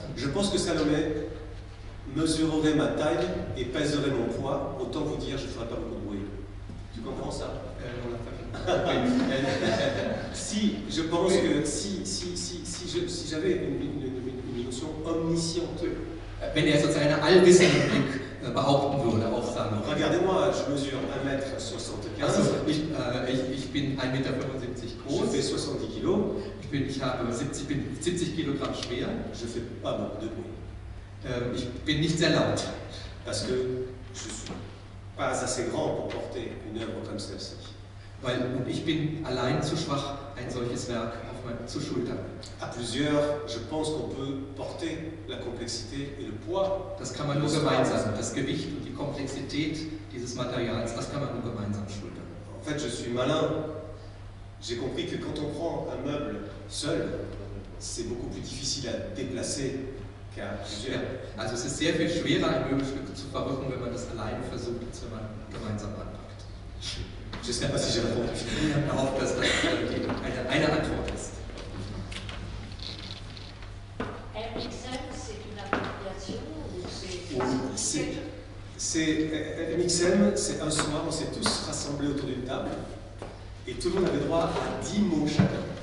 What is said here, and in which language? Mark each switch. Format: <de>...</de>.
<fr>Je pense que Salomé mesurerait ma taille et pèserait mon poids, autant vous dire, je ne ferai pas beaucoup de bruit. Tu comprends ça? Si, je pense que si j'avais une notion omnisciente.</fr> <de>Wenn er sozusagen einen allwissenden Blick behaupten würde, auch Salomé.</de> <fr>Regardez-moi, je mesure 1,75</fr> <de>m. Ich bin 1,75 m groß.</de> <fr>Je fais 70 kg.</fr> <de>Ich bin 70 kg schwer.</de> <fr>Je fais pas beaucoup de bruit.</fr> <de>Ich bin nicht sehr laut.</de> <fr>Parce que je suis pas assez grand pour porter une œuvre comme celle-ci.</fr> <de>Weil ich bin allein zu schwach, ein solches Werk zu schultern.</de> <fr>À plusieurs, je pense qu'on peut porter la complexité et le poids.</fr> <de>Das kann man nur gemeinsam, das Gewicht und die Komplexität dieses Materials, das kann man nur gemeinsam schultern.</de> <fr>En fait, je suis malin. J'ai compris que quand on prend un meuble seul, c'est beaucoup plus difficile à déplacer qu'à plusieurs.</fr> <de>Also es ist sehr viel schwerer, ein Möbelstück zu verrücken, wenn man das alleine versucht, als wenn man gemeinsam anpackt.</de> <fr>Je ne sais pas si j'ai répondu.</fr> <de>Je hoffe, dass das eine Antwort ist.</de> <fr>MXM, c'est une appropriation ou c'est. MXM, c'est un soir, on s'est tous rassemblés autour d'une table et tout le monde avait droit à 10 mots chacun.</fr>